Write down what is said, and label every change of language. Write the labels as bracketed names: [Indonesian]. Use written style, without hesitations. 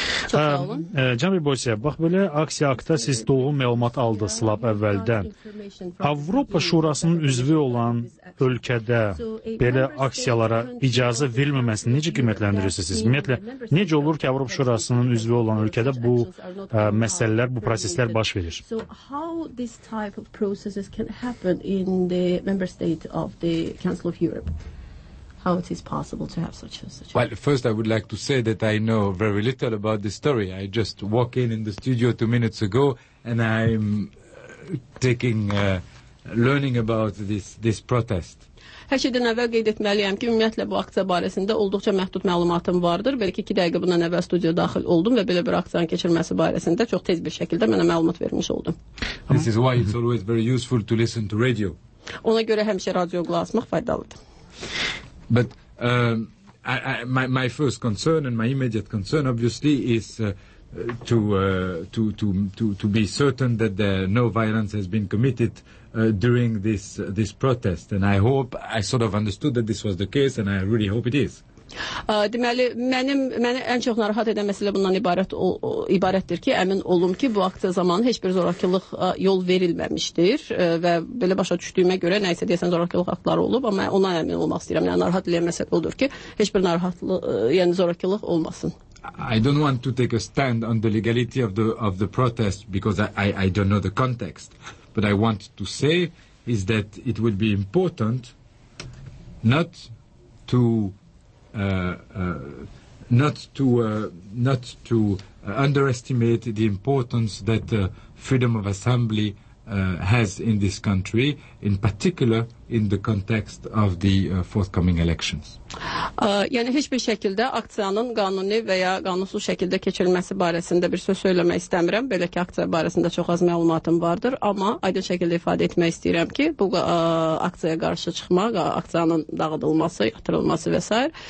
[Azerbaijani] Cənab Bribosiya, bax belə aksiya haqda siz doğru məlumat aldınız lap əvvəldən. Avropa Şurasının üzvü olan ölkədə belə aksiyalara icazə verilməməsini necə qiymətləndirirsiniz siz? Ümumiyyətlə, necə olur ki, Avropa Şurasının üzvü olan ölkədə bu məsələlər, bu proseslər baş verir? [English] So how this type of processes can happen in the member state of the Council of Europe? How it is possible to have such a Well, first I would like to say that I know very little about this story. I just walked in the studio 2 minutes ago and I'm learning about this protest. [Azerbaijani] Hər şeydən əvvəl qeyd etməliyəm ki, ümumiyyətlə bu aksiya barəsində olduqca məhdud məlumatım vardır. Belki 2 dəqiqə bundan əvvəl studiya daxil oldum və belə bir aksiyanın keçirməsi barəsində çox tez bir şəkildə mənə məlumat vermiş oldum. [English] This is why it's always very useful to listen to radio. [Azerbaijani] Ona görə həmişə radio qulaqlamaq faydalıdır. [English] But my first concern and my immediate concern, obviously, is to be certain that no violence has been committed during this protest. And I hope I sort of understood that this was the case, and I really hope it is. [Azerbaijani] Deməli, məni ən çox narahat edən məsələ bundan ibarətdir ki, əmin olum ki, bu aksiya zamanı heç bir zorakılıq yol verilməmişdir və belə başa düşdüyümə görə nəysə deyəsən zorakılıq aktları olub, amma ondan əmin olmaq istəyirəm. Yəni narahat edən məsələ odur ki, heç bir narahatlıq, yəni zorakılıq olmasın. [English] I don't want to take a stand on the legality of the protest because I don't know the context, but I want to say is that it would be important not to underestimate the importance that freedom of assembly has in this country, in particular in the context of the forthcoming elections. [Azerbaijani] Yəni heç bir şəkildə aksiyanın qanuni və ya qanunsuz şəkildə keçirilməsi barəsində bir söz söyləmək istəmirəm. Belə ki, aksiya barəsində çox az məlumatım vardır, amma aydın şəkildə ifadə etmək istəyirəm ki, bu aksiyaya qarşı çıxmaq, aksiyanın dağıdılması, yatırılması və s.